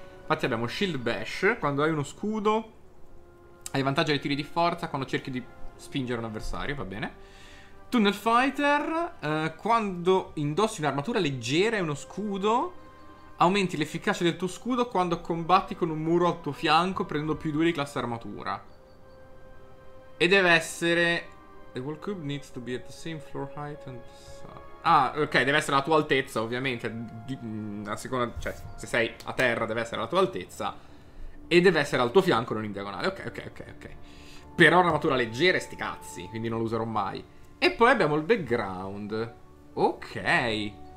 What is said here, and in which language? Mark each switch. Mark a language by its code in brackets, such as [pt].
[it] Infatti abbiamo Shield Bash, quando hai uno scudo hai vantaggio dei tiri di forza, quando cerchi di spingere un avversario, va bene. Tunnel Fighter, quando indossi un'armatura leggera e uno scudo, aumenti l'efficacia del tuo scudo quando combatti con un muro al tuo fianco, prendendo più 2 di classe armatura. E deve essere... [en] The wall cube needs to be at the same floor height and... [it] Ah, ok, deve essere la tua altezza, ovviamente. A seconda... Cioè, se sei a terra deve essere la tua altezza. E deve essere al tuo fianco, non in diagonale. Ok. Però armatura leggera e sti cazzi, quindi non lo userò mai. E poi abbiamo il background. Ok.